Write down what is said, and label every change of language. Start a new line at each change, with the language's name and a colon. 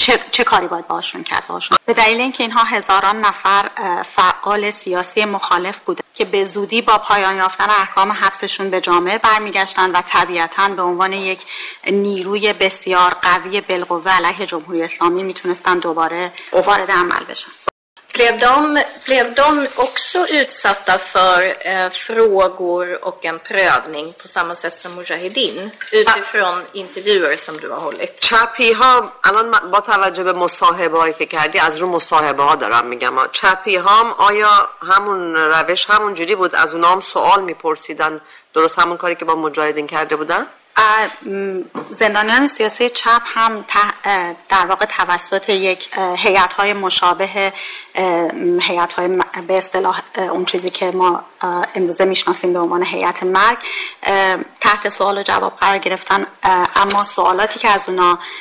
Persian: چه کاری باید باشون کرد باشون، به دلیل اینکه اینها هزاران نفر فعال سیاسی مخالف بوده که به زودی با پایان یافتن احکام حبسشون به جامعه برمیگشتن و طبیعتاً به عنوان یک نیروی بسیار قوی بالقوه علیه جمهوری اسلامی میتونستن دوباره وارد عمل بشن.
Swedish: Blev de också utsatta för frågor och en prövning på samma sätt som Mujahedin utifrån intervjuer som du har hållit?
Persian: چپی ها الان با توجه به مصاحبه هایی که کردی از رو مصاحبه ها دارم میگم چپی ها آیا همون روش همون جوری بود از اونا هم سوال میپرسیدن درست همون کاری که با مجاهدین کرده بودن؟ زندانیان سیاسی چپ هم در واقع توسط یک هیئت‌های مشابه هیئت‌های به اصطلاح اون چیزی که ما امروزه میشناسیم به عنوان هیئت مرگ تحت سوال و جواب قرار گرفتن، اما سوالاتی که از اونا